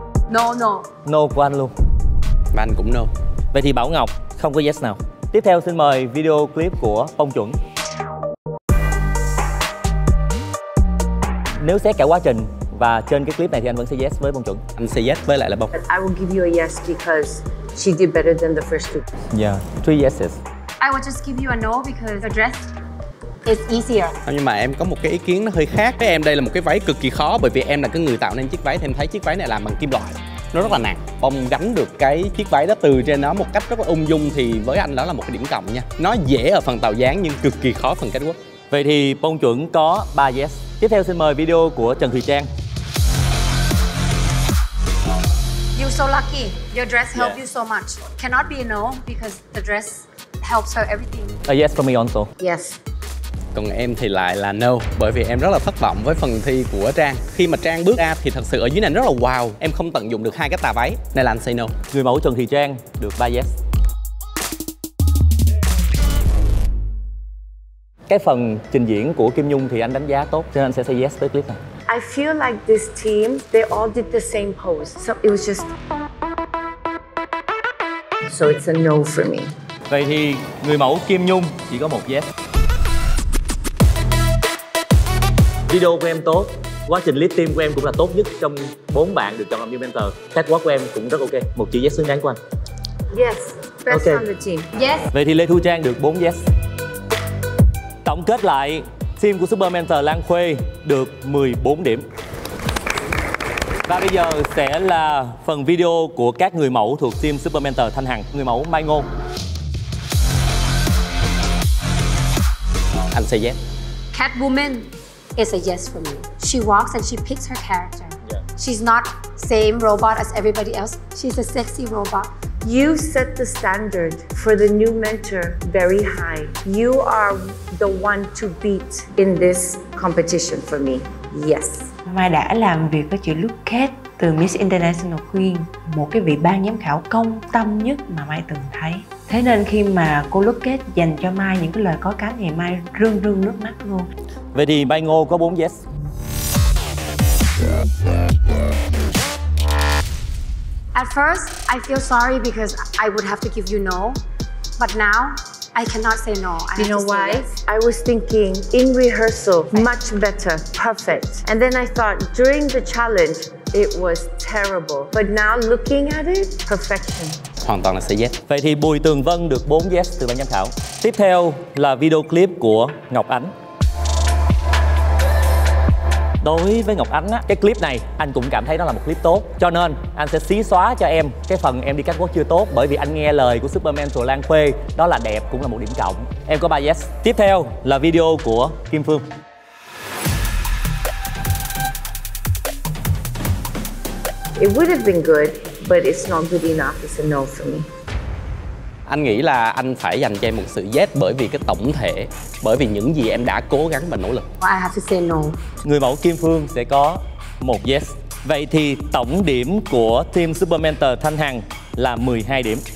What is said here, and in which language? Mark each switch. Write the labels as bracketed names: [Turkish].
[English] No, no. [Vietnamese] No của anh luôn. Và anh cũng no. Vậy thì Bảo Ngọc không có yes nào. Tiếp theo xin mời video clip của Phong Chuẩn. Nếu xét cả quá trình và trên cái clip này thì anh vẫn say yes với Bông Chuẩn. Anh say yes với lại là Bông. [English] I will give you a yes because she did better than the first two. Yeah, three yeses. I will just give you a no because the dress is easier. [Vietnamese] Nhưng mà em có một cái ý kiến nó hơi khác với em. Đây là một cái váy cực kỳ khó bởi vì em là cái người tạo nên chiếc váy, thì em thấy chiếc váy này làm bằng kim loại. Nó rất là nặng. Bông gánh được cái chiếc váy đó từ trên nó một cách rất là ung dung thì với anh đó là một cái điểm cộng nha. Nó dễ ở phần tạo dáng nhưng cực kỳ khó phần catwalk. Vậy thì Bông Chuẩn có 3 yes. Tiếp theo xin mời video của Trần Thùy Trang. [English] You're so lucky. Your dress helped you so much. Cannot be a no because the dress helps her everything. A yes for me also. Yes. [Vietnamese] Còn em thì lại là no bởi vì em rất là thất vọng với phần thi của Trang. Khi mà Trang bước ra thì thật sự ở dưới này rất là wow. Em không tận dụng được hai cái tà váy. Nên là anh say no. Người mẫu Trần Thùy Trang được 3 yes. Cái phần trình diễn của Kim Nhung thì anh đánh giá tốt, cho nên anh sẽ say yes tới clip này. [English] I feel like this team, they all did the same pose. So it was just... So it's a no for me. [Vietnamese] Vậy thì người mẫu Kim Nhung chỉ có một yes. Video của em tốt, quá trình lead team của em cũng là tốt nhất trong 4 bạn được chọn làm new mentor. Catwalk của em cũng rất ok. Một chữ yes xứng đáng của anh. [English] Yes, best okay. On the team. Yes. [Vietnamese] Vậy thì Lê Thu Trang được 4 yes. Tổng kết lại, team của Super Mentor Lan Khuê được 14 điểm. Và bây giờ sẽ là phần video của các người mẫu thuộc team Super Mentor Thanh Hằng, người mẫu Mai Ngôn. Anh say yes. [English] Catwoman is a yes for me. She walks and she picks her character. Yeah. She's not same robot as everybody else. She's a sexy robot. You set the standard for the new mentor very high. You are the one to beat in this competition for me. Yes. [Vietnamese] Mai đã làm việc với chị Lucette từ Miss International Queen, một cái vị ban giám khảo công tâm nhất mà Mai từng thấy. Thế nên khi mà cô Lucette dành cho Mai những cái lời có cánh thì Mai rưng rưng nước mắt luôn. Vậy thì Mai Ngô có 4 yes. [English] At first, I feel sorry because I would have to give you no. But now, I cannot say no. I you know why? Yes. I was thinking in rehearsal, much better, perfect. And then I thought during the challenge, it was terrible. But now looking at it, perfection. [Vietnamese] hoàn toàn là sẽ yes. Vậy thì Bùi Tường Vân được 4 yes từ ban giám khảo. Tiếp theo là video clip của Ngọc Ánh. Đối với Ngọc Ánh á, cái clip này anh cũng cảm thấy nó là một clip tốt. Cho nên anh sẽ xí xóa cho em cái phần em đi cắt quốc chưa tốt. Bởi vì anh nghe lời của Superman Thùa Lan Khuê, đó là đẹp cũng là một điểm cộng. Em có 3 yes. Tiếp theo là video của Kim Phương. [English] It would have been good, but it's not good enough. It's a no for me. [Vietnamese] Anh nghĩ là anh phải dành cho em một sự yes bởi vì cái tổng thể, bởi vì những gì em đã cố gắng và nỗ lực. [English] I have to say no. [Vietnamese] Người mẫu Kim Phương sẽ có một yes. Vậy thì tổng điểm của team Super Mentor Thanh Hằng là 12 điểm.